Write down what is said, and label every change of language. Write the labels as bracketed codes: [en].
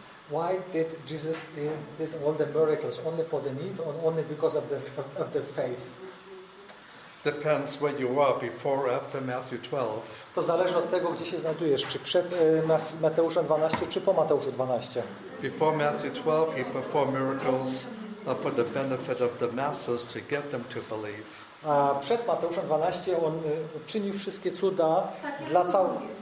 [en] Why did Jesus did all the miracles only for the need or only because of the faith? Depends where you are before or after Matthew 12. [pl] To zależy od tego, gdzie się znajdujesz, czy przed Mateuszem 12, czy po Mateuszu 12. [en] Before Matthew 12, he performed miracles for the benefit of the masses to get them to believe. [pl] A przed Mateuszem 12 on czynił wszystkie cuda dla całego.